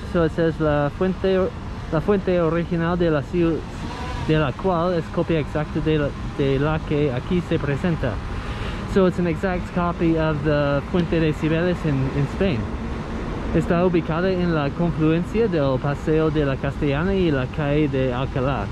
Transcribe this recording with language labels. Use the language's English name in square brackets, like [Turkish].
[English] So it says [Spanish] la fuente original de la ciudad de la cual es copia exacta de la que aquí se presenta. [English] So it's an exact copy of the Fuente de Cibeles in Spain. [Spanish] Está ubicada en la confluencia del Paseo de la Castellana y la calle de Alcalá.